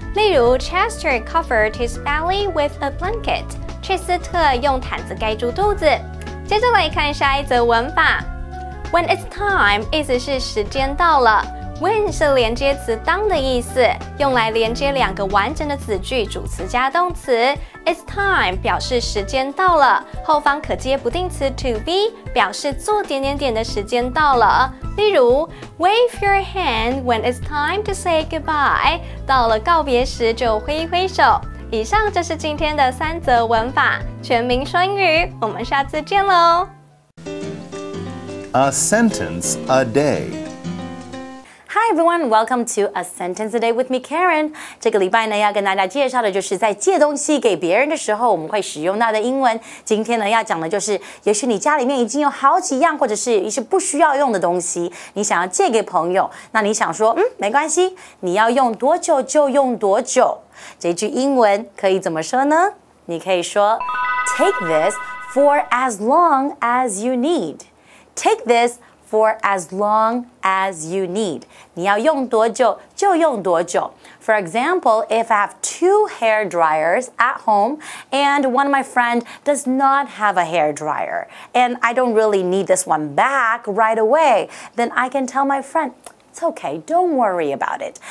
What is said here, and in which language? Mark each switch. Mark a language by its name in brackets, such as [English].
[Chinese] 例如 [English] ，Chester covered his belly with a blanket。 [Chinese] 切斯特用毯子盖住肚子。接着来看下一则文法。 [English] When it's time [Chinese] 意思是时间到了。 When 是连接词当的意思，用来连接两个完整的子句，主词加动词。 [English] It's time [Chinese] 表示时间到了，后方可接不定词 [English] to be [Chinese] 表示做点点点的时间到了。例如 [English] ，Wave your hand when it's time to say goodbye， [Chinese] 到了告别时就挥一挥手。以上就是今天的三则文法，全民说英语，我们下次见喽。 [English] A sentence a day。 Hi everyone, welcome to A Sentence A Day with me, Karen. [Chinese] 这个礼拜呢，要跟大家介绍的就是在借东西给别人的时候，我们会使用到的英文。今天呢，要讲的就是，也许你家里面已经有好几样，或者是一些不需要用的东西，你想要借给朋友，那你想说，没关系，你要用多久就用多久。这句英文可以怎么说呢？你可以说 [English] ，Take this for as long as you need. Take this. For as long as you need. [Chinese] 你要用多久就用多久。 [English] For example, if I have two hair dryers at home and one of my friends does not have a hair dryer and I don't really need this one back right away, then I can tell my friend, it's okay, don't worry about it.